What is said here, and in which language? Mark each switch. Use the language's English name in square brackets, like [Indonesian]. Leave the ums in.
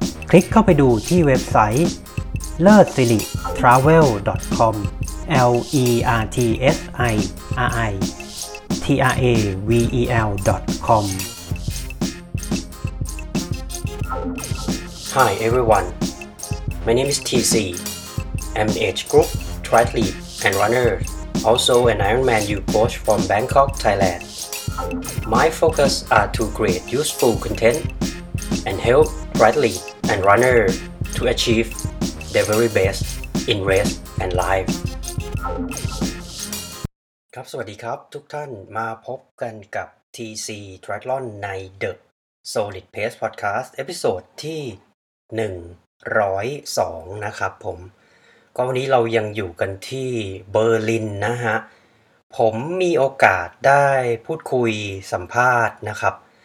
[Thai] คลิกเข้าไปดูที่เว็บไซต์ [English] l e r s i r i travel com l e r t s i r i t r a v e l com Hi everyone My name is TC. I'm an age group triathlete and runner, also an Ironman U coach from Bangkok, Thailand. My focus are to create useful content and help triathlete and runner to achieve their very best in race and life. [Thai] ครับสวัสดีครับทุกท่านมาพบกันกับ TC Triathlon ใน The Solid Pace Podcast เอพิโซดที่ 102 นะครับผม ก็วันนี้เรายังอยู่กันที่เบอร์ลินนะฮะ ผมมีโอกาสได้พูดคุยสัมภาษณ์นะครับ